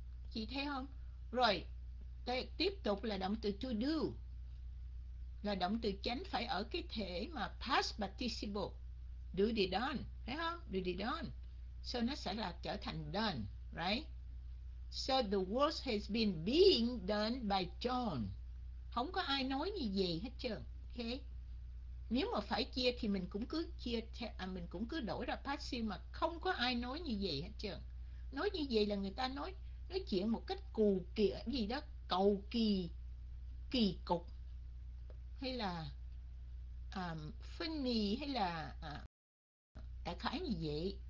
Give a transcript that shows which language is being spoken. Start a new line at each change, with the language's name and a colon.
Vietnamese: Chị thấy không? Rồi, đây, tiếp tục là động từ to do. Là động từ chánh phải ở cái thể mà past participle.
English: Do the done.
Vietnamese: Thấy không? Do the done. So nó sẽ là trở thành done.
English: Right? So the work has been being done by John.
Vietnamese: Không có ai nói như gì hết trơn. Okay? Nếu mà phải chia thì mình cũng cứ chia, mình cũng cứ đổi ra passive mà không có ai nói như vậy hết trơn. Nói như vậy là người ta nói chuyện một cách cù kỳ gì đó, cầu kỳ, kỳ cục, hay là funny, hay là đại khái như vậy.